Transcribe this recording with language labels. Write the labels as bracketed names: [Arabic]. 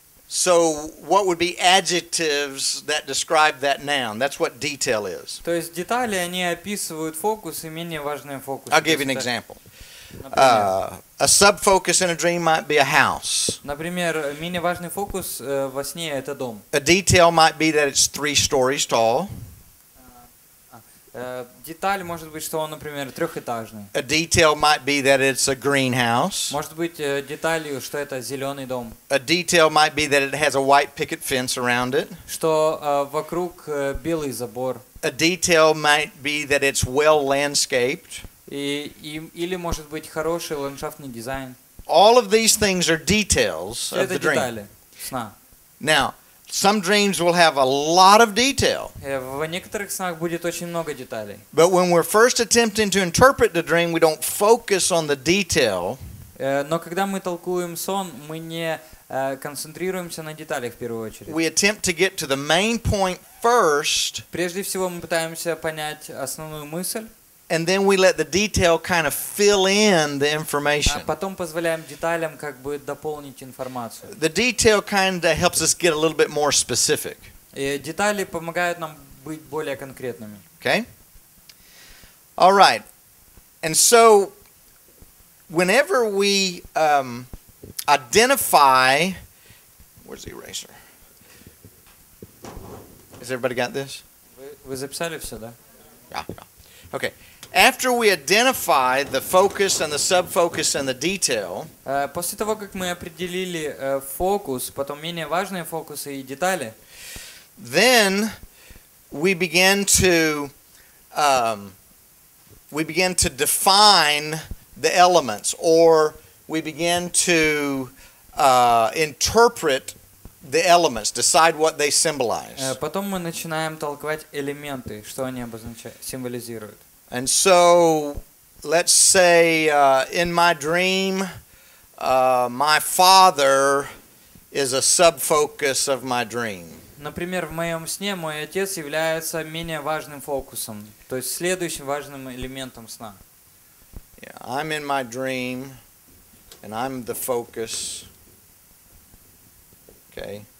[English] So what would be adjectives that describe that noun? That's what detail is. [Russian] То есть детали, они описывают фокус и менее важные фокусы. [English] I'll give you an example. [Russian] Например, [English] a subfocus in a dream might be a house. [Russian] Например, менее важный фокус во сне — это дом. [English] A detail might be that it's 3 stories tall. [Russian] Деталь может быть, что он, например, трехэтажный. [English] A detail might be that it's a greenhouse. [Russian] Может быть, деталью, что это зеленый дом. [English] A detail might be that it has a white picket fence around it. [Russian] Что вокруг белый забор. [English] A detail might be that it's well landscaped. [Russian] Или может быть, хороший ландшафтный дизайн. [English] All of these things are details of the dream. [Russian] Это детали сна. [English] Now, some dreams will have a lot of detail. [Russian] В некоторых снах будет очень много деталей. [English] But when we're first attempting to interpret the dream, we don't focus on the detail. [Russian] Но когда мы толкуем сон, мы не концентрируемся на деталях в первую очередь. [English] We attempt to get to the main point first. [Russian] Прежде всего мы пытаемся понять основную мысль. [English] And then we let the detail kind of fill in the information. [Russian] Потом позволяем деталям как бы дополнить информацию. [English] The detail kind of helps us get a little bit more specific. [Russian] И детали помогают нам быть более конкретными. [English] Okay? All right. And so, whenever we identify... Where's the eraser? Has everybody got this? [Russian] Вы записали все, да? [English] Yeah. Okay. After we identify the focus and the sub-focus and the detail, [Russian] после того как мы определили фокус, потом менее важные фокусы и детали, [English] then we begin to define the elements, or we begin to interpret the elements, decide what they symbolize. [Russian] Потом мы начинаем толковать элементы, что они обозначают, символизируют. [English] And so, let's say in my dream, my father is a sub-focus of my dream. [Russian] Например, в моем сне мой отец является менее важным фокусом, то есть следующим важным элементом сна. [English] Yeah, I'm in my dream, and I'm the focus. Okay.